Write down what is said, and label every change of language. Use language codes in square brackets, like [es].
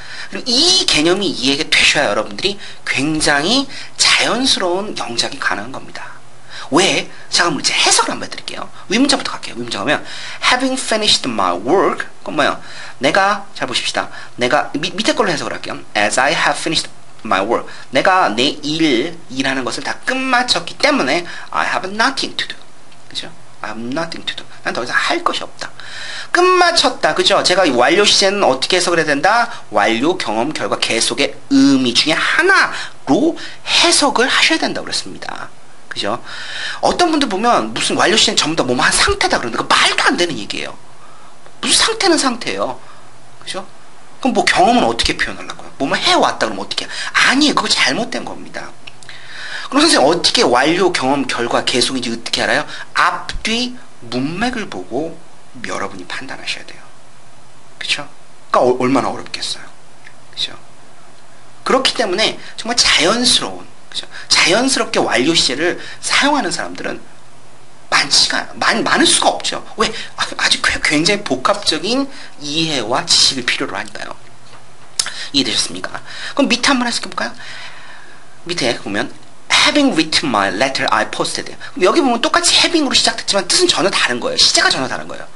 [ko] 그리고 이 개념이 이해가 되셔야 여러분들이 굉장히 자연스러운 영작이 가능한 겁니다. 왜? 자, 그럼 이제 해석을 한번 해드릴게요. 위문자부터 갈게요. 위문자 하면 [en] having finished my work [ko] 그건 뭐예요? 내가 잘 보십시다. 내가 밑에 걸로 해석을 할게요. [en] as I have finished my work [ko] 내가 내 일이라는 것을 다 끝마쳤기 때문에 [en] I have nothing to do 그죠? I have nothing to do. [ko] 난 더 이상 할 것이 없다. 끝마쳤다. 그죠? 제가 완료 시제는 어떻게 해석을 해야 된다? 완료, 경험, 결과, 계속의 의미 중에 하나로 해석을 하셔야 된다고 그랬습니다. 그죠? 어떤 분들 보면 무슨 완료 시제는 전부 다 뭐 한 상태다 그러는데 그 말도 안 되는 얘기예요. 무슨 상태는 상태예요. 그죠? 그럼 뭐 경험은 어떻게 표현하려고요? 뭐 해왔다 그러면 어떻게? 아니, 그거 잘못된 겁니다. 그럼 선생님 어떻게 완료, 경험, 결과, 계속인지 어떻게 알아요? 앞뒤 문맥을 보고 여러분이 판단하셔야 돼요. 그쵸? 그러니까 얼마나 어렵겠어요. 그쵸? 그렇기 때문에 정말 자연스러운 그쵸? 자연스럽게 완료 시제를 사용하는 사람들은 많을 수가 없죠. 왜? 아주 굉장히 복합적인 이해와 지식을 필요로 하니까요. 이해되셨습니까? 그럼 밑에 한번 해석해볼까요? 밑에 보면 [en] having written my letter I posted. [ko] 여기 보면 똑같이 having으로 시작됐지만 뜻은 전혀 다른 거예요. 시제가 전혀 다른 거예요.